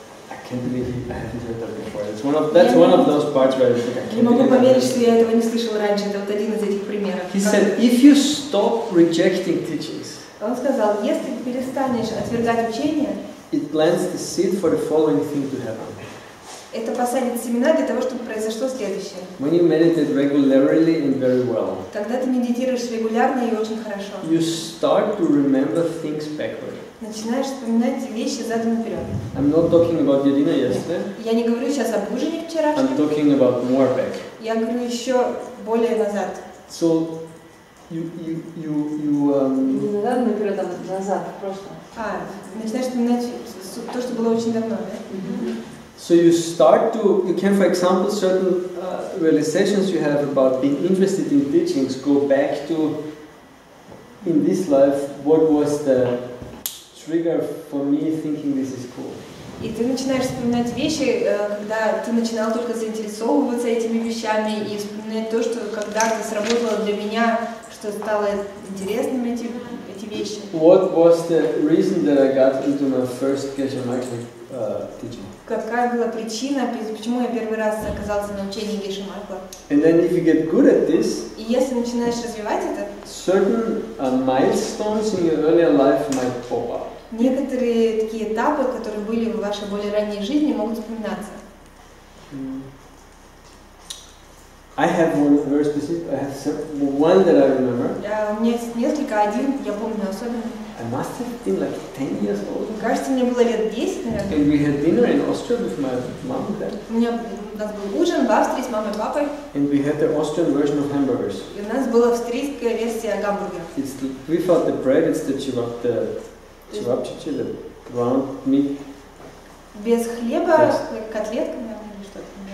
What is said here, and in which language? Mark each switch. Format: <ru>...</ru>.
<en>I can't believe I haven't heard that before. That's one of those parts where I think I can't believe.</en> <ru>Не могу поверить, что я этого не слышал раньше. Это вот один из этих примеров.</ru> <en>He said, if you stop rejecting teachings,</en> <ru>он сказал, если ты перестанешь отвергать учения,</ru> <en>it plants the seed for the following thing to happen.</en> <ru>Это посадит семена для того, чтобы произошло следующее.</ru> <en>When you meditate regularly and very well,</en> <ru>когда ты медитируешь регулярно и очень хорошо,</ru> <en>you start to remember things backward.</en> <ru>Начинаешь вспоминать вещи задом наперед.</ru> <en>I'm not talking about Yadina yesterday.</en> <ru>Я не говорю сейчас об ужине вчерашнем.</ru> <en>I'm talking about more back.</en> <ru>Я говорю еще более назад.</ru> <en>So, you</en> <ru>не задом наперед, а назад, просто. А, начинаешь вспоминать то, что было очень давно, да?</ru> <en>So you start to, you can, for example, certain realizations you have about being interested in teachings go back to, in this life, what was the trigger for me thinking this is cool.</en> <ru>И ты начинаешь вспоминать вещи, когда ты начинал только заинтересовываться этими вещами и вспоминать то, что когда-то сработало для меня, что стало интересным эти вещи.</ru> <en>What was the reason that I got into my first Geshe Magyar teaching?</en> <ru>Какая была причина, почему я первый раз оказался на учении Гейши Майкла?</ru> <en>And then if you get good at this,</en> <ru>и если начинаешь развивать это,</ru> <en>certain milestones in your earlier life might pop up.</en> <ru>Некоторые такие этапы, которые были в вашей более ранней жизни, могут вспоминаться.</ru> <en>I have one very specific. I have some, one that I remember.</en> <ru>У меня есть несколько, один я помню особенно.</ru> <en>I must have been like 10 years old.</en> <ru>Кажется, мне было лет 10, наверное.</ru> <en>And we had dinner in Austria with my mom and dad.</en> <ru>У меня был ужин в Австрии с мамой и папой.</ru> <en>And we had the Austrian version of hamburgers.</en> <ru>И у нас была австрийская версия гамбургеров.</ru> <en>It's the, we thought the bread is the чевапчичи, the ground meat.</en> <ru>Без хлеба,</ru> <en>yes.</en> <ru>Котлетка, наверное, или что-то.</ru>